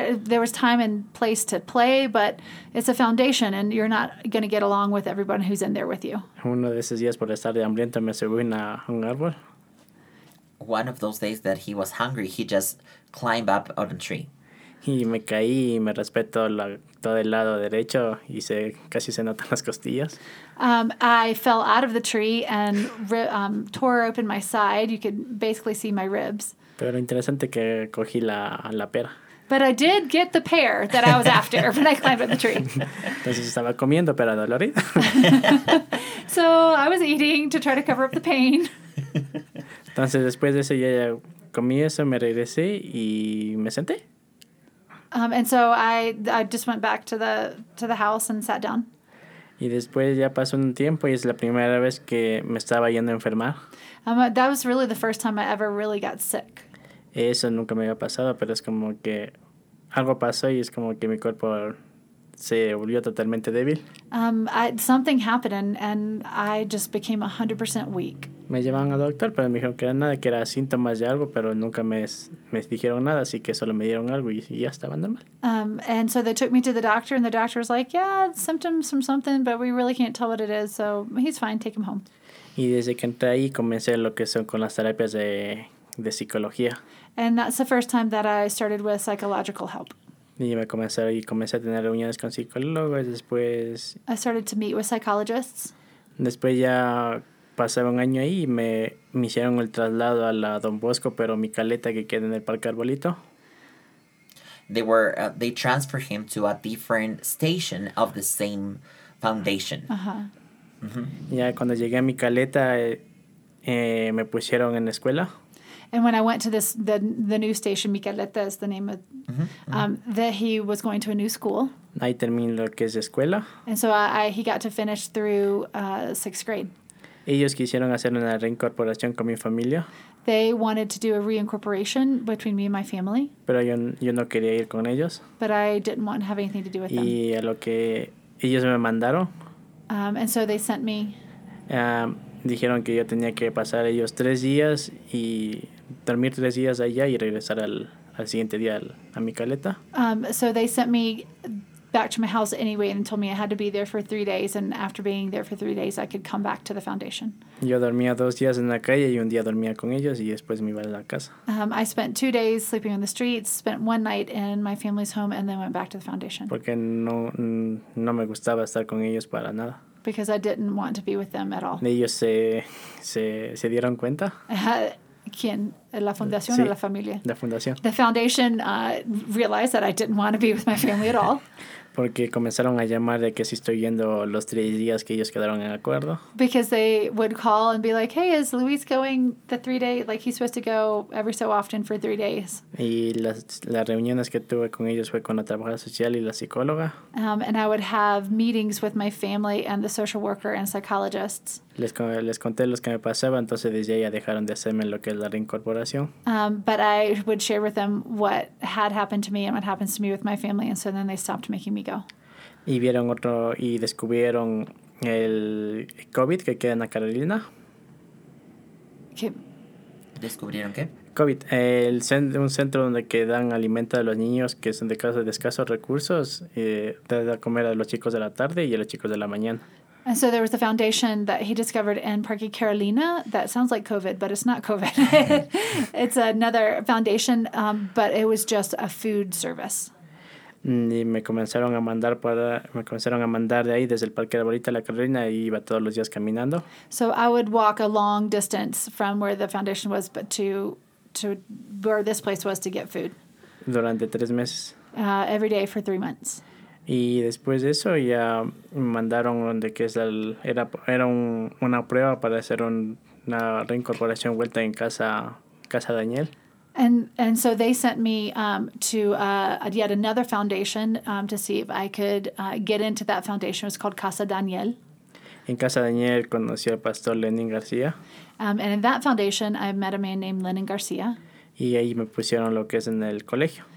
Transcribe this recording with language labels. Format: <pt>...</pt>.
<en>There was time and place to play, but it's a foundation and you're not going to get along with everyone who's in there with you.</en> <es>Uno de esos días por estar de hambriento me subí a un árbol.</es> <en>One of those days that he was hungry, he just climbed up on a tree.</en> <es>y me caí y me raspé todo el lado derecho y casi se notan las costillas.</es> <en>I fell out of the tree and tore open my side. You could basically see my ribs.</en> <es>Pero interesante que cogí la pera.</es> <en>But I did get the pear that I was after when I climbed up the tree.</en> <es>Entonces estaba comiendo pera dolorida.</es> <en>So I was eating to try to cover up the pain.</en> <es>Entonces después de eso ya comí eso, me regresé y me senté.</es> <en>And so I just went back to the house and sat down.</en> <es>Y después ya pasó un tiempo y es la primera vez que me estaba yendo a enfermar.</es> <en>That was really the first time I ever really got sick.</en> <es>Eso nunca me había pasado, pero es como que algo pasó y es como que mi cuerpo se volvió totalmente débil.</es> <en>Something happened and I just became 100% weak.</en> <es>Me llevaron al doctor, pero me dijeron que era nada, que era síntomas de algo, pero nunca me dijeron nada, así que solo me dieron algo y ya estaba normal.</es> <en>And so they took me to the doctor and the doctor was like, yeah, symptoms from something, but we really can't tell what it is, so he's fine, take him home.</en> <es>Y desde que entré ahí comencé lo que son con las terapias de psicología.</es> <en>And that's the first time that I started with psychological help.</en> <es>Y me comencé a tener reuniones con psicólogos, después...</es> <en>I started to meet with psychologists.</en> <es>Después ya pasaba un año ahí y me hicieron el traslado a la Don Bosco, pero mi caleta que queda en el Parque Arbolito.</es> <en>They transferred him to a different station of the same foundation. Uh-huh. Mm-hmm.</en> <es>Ya cuando llegué a mi caleta, me pusieron en la escuela.</es> <en>And when I went to the new station, Micaleta is the name of, that he was going to a new school.</en> <es>Ahí terminé lo que es escuela.</es> <en>And so he got to finish through sixth grade.</en> <es>Ellos quisieron hacer una reincorporación con mi familia.</es> <en>They wanted to do a reincorporation between me and my family.</en> <es>Pero yo no quería ir con ellos.</es> <en>But I didn't want to have anything to do with</en> <es>y</es> <en>them.</en> <es>Y a lo que ellos me mandaron.</es> <en>And so they sent me.</en> <es>Dijeron que yo tenía que pasar ellos 3 días y dormir 3 días allá y regresar al siguiente día a mi caleta.</es> <en>So they sent me back to my house anyway and told me I had to be there for 3 days and after being there for 3 days I could come back to the foundation.</en> <es>Yo dormía 2 días en la calle y un día dormía con ellos y después me iba a la casa.</es> <en>I spent 2 days sleeping on the streets, spent one night in my family's home and then went back to the foundation.</en> <es>Porque no me gustaba estar con ellos para nada.</es> <en>Because I didn't want to be with them at all.</en> <es>¿Ellos se dieron cuenta? ¿Quién? ¿La fundación sí, o la familia? La fundación.</es> <en>The foundation realized that I didn't want to be with my family at all.</en> <es>Porque comenzaron a llamar de que si estoy yendo los 3 días que ellos quedaron en acuerdo.</es> <en>Because they would call and be like, hey, is Luis going the 3 days? Like, he's supposed to go every so often for 3 days.</en> <es>Y las reuniones que tuve con ellos fue con la trabajadora social y la psicóloga.</es> <en>And I would have meetings with my family and the social worker and psychologists.</en> <es>Les conté lo que me pasaba, entonces desde ya dejaron de hacerme lo que es la reincorporación.</es> <en>But I would share with them what had happened to me and what happens to me with my family, and so then they stopped making me go.</en> <es>Y vieron otro, y descubrieron el COVID que queda en la Carolina. ¿Qué? ¿Descubrieron qué? COVID, un centro donde quedan alimento a los niños que son de casa de escasos recursos, de comer a los chicos de la tarde y a los chicos de la mañana.</es> <en>And so there was a foundation that he discovered in Parque Carolina that sounds like COVID, but it's not COVID. It's another foundation, but it was just a food service.</en> <es>Y me comenzaron a mandar de ahí desde el Parque Arbolito a la Carolina y iba todos los días caminando.</es> <en>So I would walk a long distance from where the foundation was, but to where this place was to get food.</en> <es>Durante 3 meses.</es> <en>Every day for 3 months.</en> <es>Y después de eso ya me mandaron donde que es era una prueba para hacer una reincorporación vuelta en casa Daniel.</es> <en>And so they sent me to yet another foundation to see if I could get into that foundation. It was called Casa Daniel.</en> <es>En Casa Daniel conocí al pastor Lenin García.</es> <en>And in that foundation I met a man named Lenin García.</en> <es>Y ahí me pusieron lo que es en el colegio.</es>